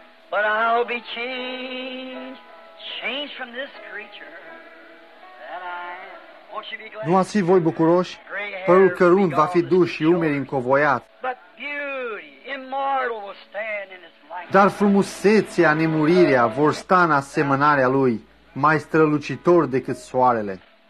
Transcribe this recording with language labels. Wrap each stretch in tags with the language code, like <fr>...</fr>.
<en>But I'll be changed from this creature that I am. Won't you be glad?</en> <ro>Nu ați fi voi bucuroși? Părul cărunt va fi dus și umeri încovoiat.</ro> <en>But beauty, immortal will stand in his light.</en> <ro>Dar frumusețea, nemurirea vor sta în asemănarea lui, mai strălucitor decât soarele.</ro>